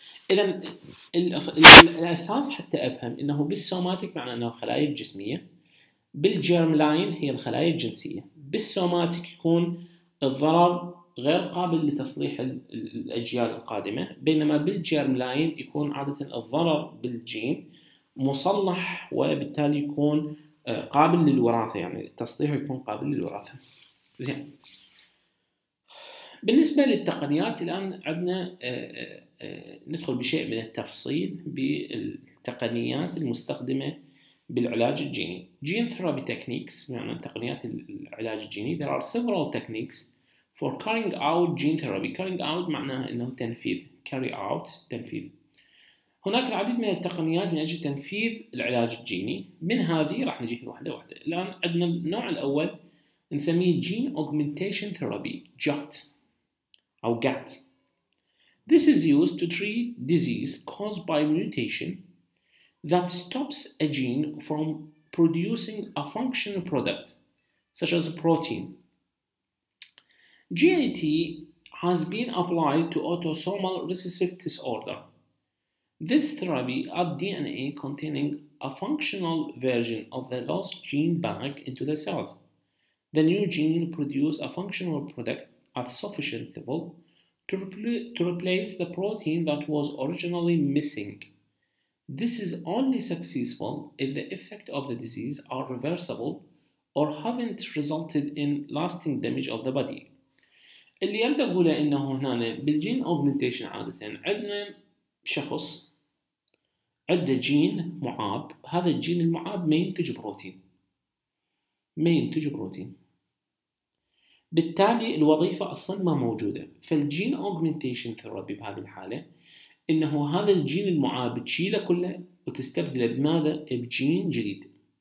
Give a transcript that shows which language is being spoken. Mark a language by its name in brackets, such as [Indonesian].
[Arabic] إذن الأساس حتى أفهم أنه بالسوماتيك معناه أنه خلايا جسمية، بالجيرم لاين هي الخلايا الجنسية، بالسوماتيك يكون الضرر غير قابل لتصليح الأجيال القادمة، بينما بالجيرم لاين يكون عادة الضرر بالجين مصلح وبالتالي يكون قابل للوراثة، يعني التصليح يكون قابل للوراثة. زين، بالنسبة للتقنيات الآن عندنا ندخل بشيء من التفصيل بالتقنيات المستخدمة بالعلاج الجيني. [English] Gene therapy techniques [Arabic] يعني تقنيات العلاج الجيني. [English] There are several techniques for carrying out gene therapy. [Arabic] Carrying out معناها إنه تنفيذ. [English] Carry out [Arabic] تنفيذ. هناك العديد من التقنيات من أجل تنفيذ العلاج الجيني. من هذه راح نجيك واحدة واحدة. الآن عندنا النوع الأول نسميه [English] gene augmentation therapy. GAT [Arabic] أو GAT. [English] This is used to treat disease caused by mutation that stops a gene from producing a functional product, such as a protein. GAT has been applied to autosomal recessive disorder. This therapy adds DNA containing a functional version of the lost gene back into the cells. The new gene produces a functional product at sufficient level to replace the protein that was originally missing. This is only successful if the effect of the disease are reversible or haven't resulted in lasting damage of the body. [Arabic] اللي أريد أقوله إنه هنا بالجين أوغمنتيشن عادة عندنا شخص عنده جين معاب، هذا الجين المعاب ما ينتج بروتين. بالتالي الوظيفة أصلاً ما موجودة. فالجين أوغمنتيشن ثيرابي بهذه الحالة إنه هذا الجين المعاب تشيله كله وتستبدله بماذا؟ بجين جديد.